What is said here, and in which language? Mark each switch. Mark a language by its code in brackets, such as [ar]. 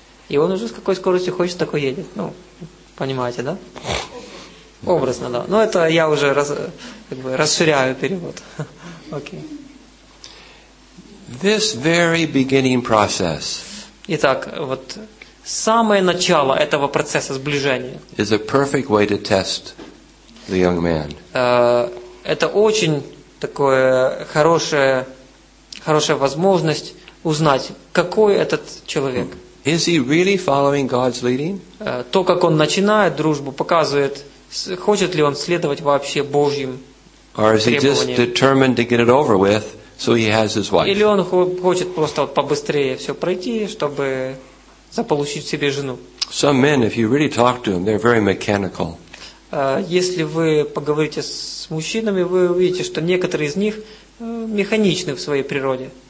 [ru] И он уже с какой скоростью хочет, такой едет. Ну, понимаете, да? Образно, да. Но это я уже расширяю перевод. Окей. Okay. [en] This very beginning process. [ru] Итак, вот самое начало этого процесса сближения. [en] Is a perfect way to test the young man. [ru] Это очень такое хорошая возможность узнать, какой этот человек. [en] Is he really following God's leading? [ru] То, как он начинает дружбу, показывает, хочет ли он следовать вообще Божьим требованиям. [en] Or is he just determined to get it over with? So he has his wife. [ru] Или он хочет просто вот побыстрее все пройти, чтобы заполучить себе жену. [en] Some men, if you really talk to them, they're very mechanical. [ru] Если вы поговорите с мужчинами, вы увидите, что некоторые из них механичны в своей природе.